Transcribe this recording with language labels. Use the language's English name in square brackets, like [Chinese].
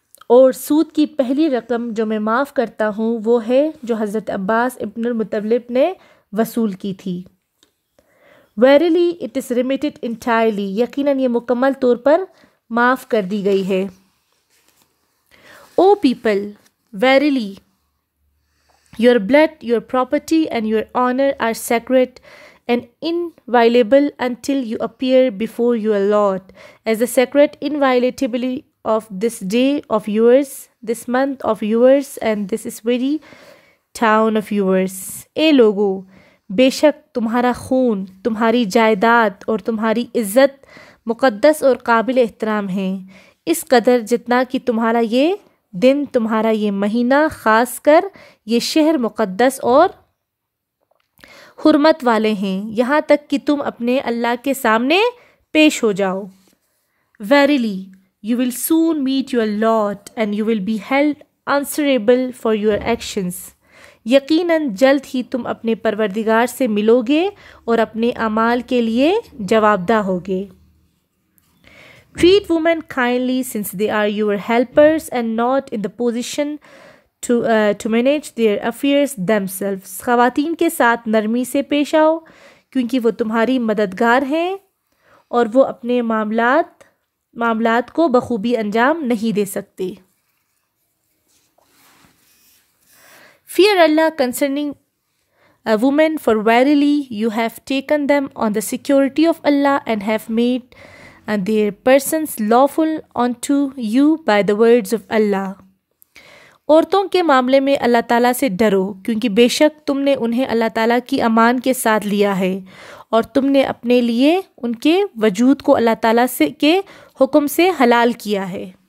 [Hindi] और सूद की पहली रकम जो मैं माफ़ करता हूँ वो है जो हज़रत अब्बास इब्न अल मुत्तलिब ने वसूल की थी। [English] Verily it is remitted entirely, [Hindi] यकीनन ये मुकम्मल तौर पर माफ़ कर दी गई है। [English] O people, verily your blood, your property and your honor are sacred and inviolable until you appear before your Lord as a sacred inviolability of this day of yours, this month of yours and this is very town of yours. [Hindi] ए लोगो, बेशक तुम्हारा खून, तुम्हारी जायदाद और तुम्हारी इज्जत मुकद्दस और काबिल एहतराम हैं इस कदर जितना कि तुम्हारा ये दिन, तुम्हारा ये महीना, ख़ास कर ये शहर मुकद्दस और हुरमत वाले हैं, यहाँ तक कि तुम अपने अल्लाह के सामने पेश हो जाओ। [English] Verily, you will soon meet your Lord and you will be held answerable for your actions. [Hindi] यकीनन जल्द ही तुम अपने परवरदिगार से मिलोगे और अपने अमाल के लिए जवाबदेह होगे। [English] Treat women kindly since they are your helpers and not in the position to manage their affairs themselves. [Hindi] ख़वातीन के साथ नरमी से पेश आओ क्योंकि वो तुम्हारी मददगार हैं और वो अपने मामलात को बखूबी अंजाम नहीं दे सकते। [English] Fear Allah concerning a woman, for verily you have taken them on the security of Allah and have made and their persons lawful unto you by the words of Allah. [Hindi] औरतों के मामले में अल्लाह ताला से डरो क्योंकि बेशक तुमने उन्हें अल्लाह ताला की अमान के साथ लिया है और तुमने अपने लिए उनके वजूद को अल्लाह ताला से के हुक्म से हलाल किया है।